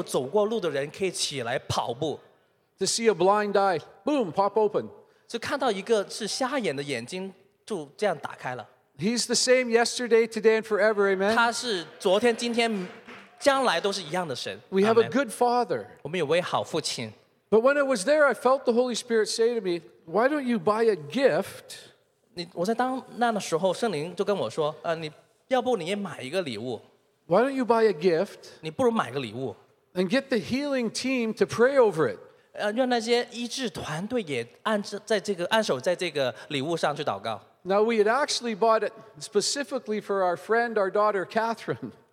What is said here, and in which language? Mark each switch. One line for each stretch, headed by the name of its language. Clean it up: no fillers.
Chinese: 就看见证一个七年来没有走过路的人可以起来跑步。
English: To see a blind eye, boom, pop open.
Chinese: 就看到一个是瞎眼的眼睛就这样打开了。
English: He's the same yesterday, today, and forever, amen.
Chinese: 他是昨天、今天、将来都是一样的神。
English: We have a good father.
Chinese: 我们有位好父亲。
English: But when I was there, I felt the Holy Spirit say to me, why don't you buy a gift?
Chinese: 我在当那的时候，圣灵就跟我说，要不你也买一个礼物。
English: Why don't you buy a gift?
Chinese: 你不如买个礼物,
English: and get the healing team to pray over it.
Chinese: 让那些医治团队也按着在这个按手在这个礼物上去祷告.
English: Now we had actually bought it specifically for our friend, our daughter Catherine.